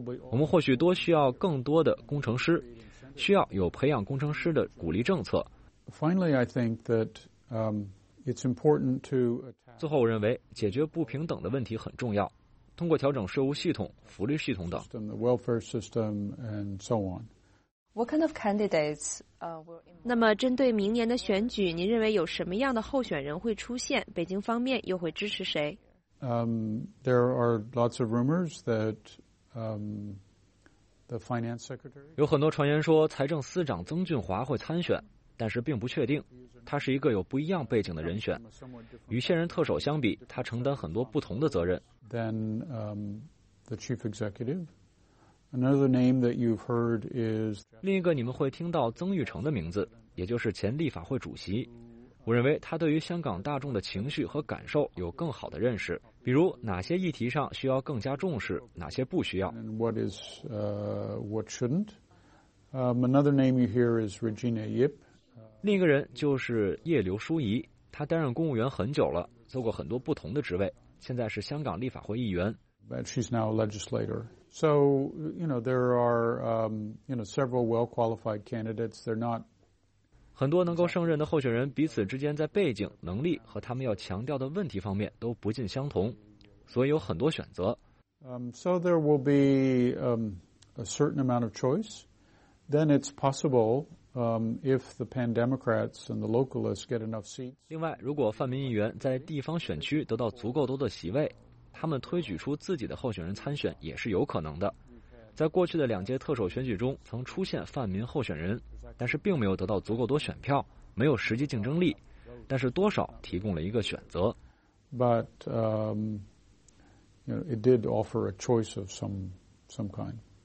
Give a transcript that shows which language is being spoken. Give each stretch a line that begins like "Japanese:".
Chinese: 我们或许多需要更多的工程师，需要有培养工程师的鼓励政策。
English: Finally, I think that it's important to.
Chinese: 最后，我认为解决不平等的问题很重要，通过调整税务系统、福利系统等。
English: The welfare system and so on. What kind of candidates?
Chinese: 那么，针对明年的选举，您认为有什么样的候选人会出现？北京方面又会支持谁？
English: There are lots of rumors that the finance secretary.
Chinese: 有很多传言说财政司长曾俊华会参选，但是并不确定。他是一个有不一样背景的人选，与现任特首相比，他承担很多不同的责任。
English: Then the chief executive. Another name that you've heard is.
Chinese: 另一个你们会听到曾玉成的名字，也就是前立法会主席。我认为他对于香港大众的情绪和感受有更好的认识，比如哪些议题上需要更加重视，哪些不需要。
English: What is what shouldn't? Another name you hear is Regina Yip.
Chinese: 另一个人就是叶刘淑仪，他担任公务员很久了，做过很多不同的职位，现在是香港立法会议员。
English: But she's now a legislator. So you know there are several well-qualified candidates. They're not.
Chinese: 很多能够胜任的候选人彼此之间在背景、能力和他们要强调的问题方面都不尽相同，所以有很多选择。
English: So there will be a certain amount of choice. Then it's possible if the Pan Democrats and the localists get enough seats.
Chinese: 另外，如果泛民议员在地方选区得到足够多的席位，他们推举出自己的候选人参选也是有可能的。在过去的两届特首选举中曾出现泛民候选人，但是并没有得到足够多选票，没有实际竞争力，但是多少提供了一个选择。
English: But, it did offer a choice of some kind.